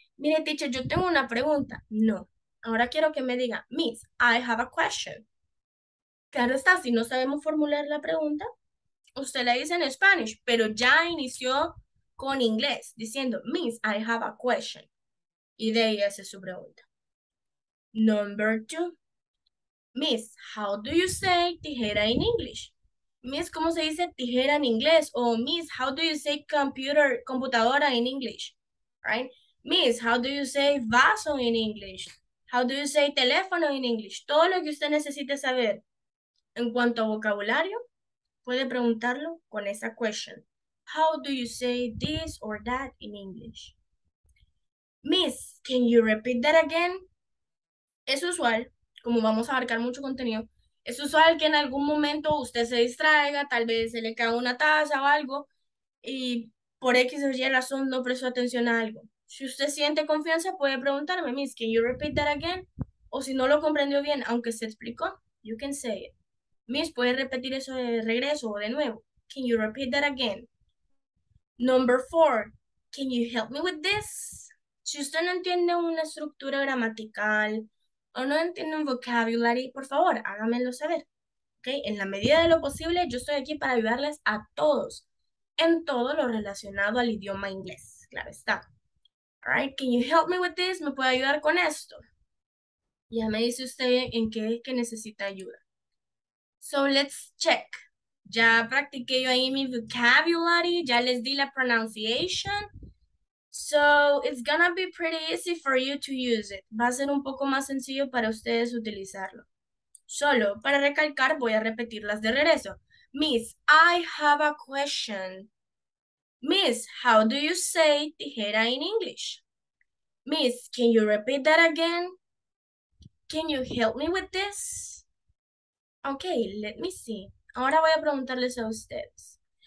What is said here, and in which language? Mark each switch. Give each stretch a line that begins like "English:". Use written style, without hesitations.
Spanish: Mire, teacher, yo tengo una pregunta. No. Ahora quiero que me diga,
English: Miss, I have a question.
Spanish: Claro está, si no sabemos formular la pregunta, usted la dice en Spanish, pero ya inició con inglés, diciendo,
English: Miss, I have a question.
Spanish: Y de ahí hace su pregunta.
English: Number two. Miss, how do you say tijera in English?
Spanish: Miss, ¿cómo se dice tijera en inglés?
English: O Miss, how do you say computadora in English? Right? Miss, how do you say vaso in English? How do you say teléfono in English?
Spanish: Todo lo que usted necesite saber en cuanto a vocabulario, puede preguntarlo con esa question.
English: How do you say this or that in English? Miss, can you repeat that again?
Spanish: Es usual. Como vamos a abarcar mucho contenido, es usual que en algún momento usted se distraiga, tal vez se le caiga una taza o algo, y por X o Y razón no prestó atención a algo. Si usted siente confianza, puede preguntarme,
English: Miss, can you repeat that again?
Spanish: O si no lo comprendió bien, aunque se explicó,
English: you can say it.
Spanish: Miss, puede repetir eso de regreso o de nuevo.
English: Can you repeat that again? Number four, can you help me with this?
Spanish: Si usted no entiende una estructura gramatical, o no entiendo un vocabulary, por favor, háganmelo saber, ¿ok? En la medida de lo posible, yo estoy aquí para ayudarles a todos en todo lo relacionado al idioma inglés, claro está.
English: Alright, can you help me with this?
Spanish: ¿Me puede ayudar con esto? Ya me dice usted en qué es que necesita ayuda.
English: So, let's check.
Spanish: Ya practiqué yo ahí mi vocabulary, ya les di la pronunciation.
English: So, it's gonna be pretty easy for you to use it.
Spanish: Va a ser un poco más sencillo para ustedes utilizarlo. Solo, para recalcar, voy a repetirlas de regreso.
English: Miss, I have a question. Miss, how do you say tijera in English? Miss, can you repeat that again? Can you help me with this? Okay, let me see.
Spanish: Ahora voy a preguntarles a ustedes.